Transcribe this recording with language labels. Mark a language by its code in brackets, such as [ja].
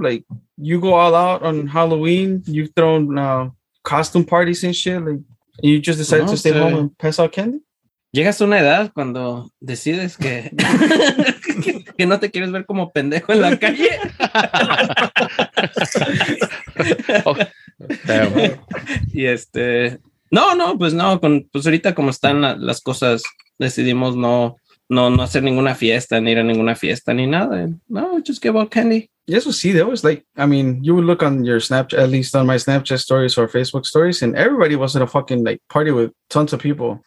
[en] Like, you go all out on Halloween, you've thrown, costume parties and shit, like you just decided to stay home and pass out candy. [es] Llegas a una edad cuando decides que que no te quieres ver como pendejo en la calle. Oh, y pues ahorita como están las cosas, decidimos no hacer ninguna fiesta ni ir a ninguna fiesta ni nada. [en] No, just give out candy. Yes, we'll see. That was like, I mean, you would look on your Snapchat, at least on my Snapchat stories or Facebook stories, and everybody was at a fucking like party with tons of people.